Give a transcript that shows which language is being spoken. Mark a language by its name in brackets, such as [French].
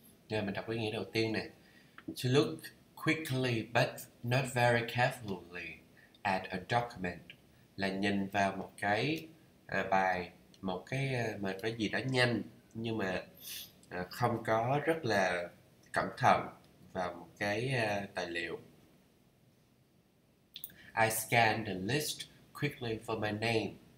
[Vietnamese] Yeah, mình đọc cái nghĩa đầu tiên nè. [English] To look quickly but not very carefully at a document. [Vietnamese] Là nhìn vào một cái bài, một cái mà cái gì đó nhanh nhưng mà không có rất là cẩn thận vào một cái tài liệu. [English] I scanned the list quickly for my name.